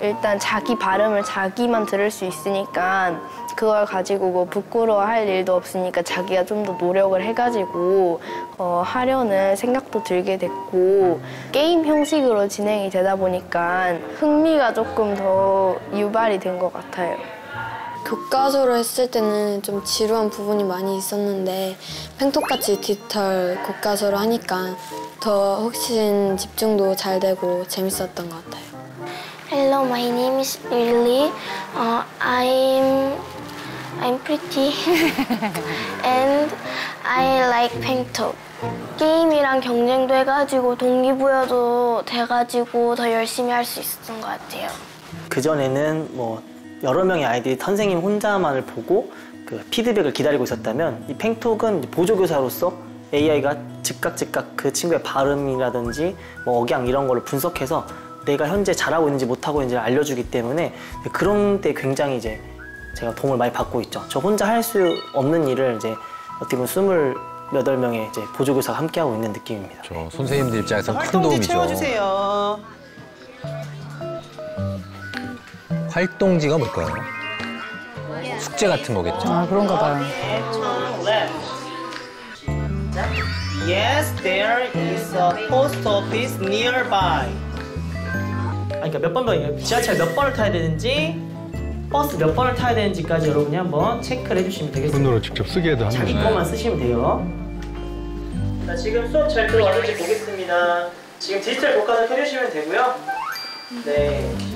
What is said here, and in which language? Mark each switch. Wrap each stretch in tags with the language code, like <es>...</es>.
<ko>일단 자기 발음을 자기만 들을 수 있으니까 그걸 가지고 뭐 부끄러워할 일도 없으니까 자기가 좀 더 노력을 해가지고 하려는 생각도 들게 됐고 게임 형식으로 진행이 되다 보니까 흥미가 조금 더 유발이 된 것 같아요. 교과서로 했을 때는 좀 지루한 부분이 많이 있었는데 팽톡같이 디지털 교과서로 하니까 더 훨씬 집중도 잘 되고 재밌었던 것 같아요.</ko> <en>Hello, my name is Lily. I'm pretty and I like Pengtok.</en> <ko>게임이랑 경쟁도 해가지고 동기부여도 돼가지고 더 열심히 할 수 있었던 것 같아요. 그전에는 뭐 여러 명의 아이들이 선생님 혼자만을 보고 그 피드백을 기다리고 있었다면 이 Pengtok은 보조교사로서 AI가 즉각 그 친구의 발음이라든지 뭐 억양 이런 걸 분석해서 내가 현재 잘하고 있는지 못하고 있는지를 알려주기 때문에 그런 데 굉장히 이제 제가 도움을 많이 받고 있죠. 저 혼자 할 수 없는 일을 이제 어떻게 보면 스물여덟 명의 이제 보조교사가 함께하고 있는 느낌입니다. 저 선생님들 입장에서 큰 도움이죠. 활동지 채워주세요. 활동지가 뭘까요? 숙제 같은 거겠죠? 아, 그런가 봐요.</ko> <en>Yes, there is a post office nearby.</en> <ko>아, 그러니까 몇 번 번이에요? 지하철 몇 번을 타야 되는지 버스 몇 번을 타야 되는지까지 여러분이 한번 체크를 해주시면 되겠습니다. 손으로 직접 쓰기에도 한 자기 것만 쓰시면 돼요. 자, 지금 수업 잘 들어왔는지 보겠습니다. 지금 디지털 교과서 해주시면 되고요. 네.</ko>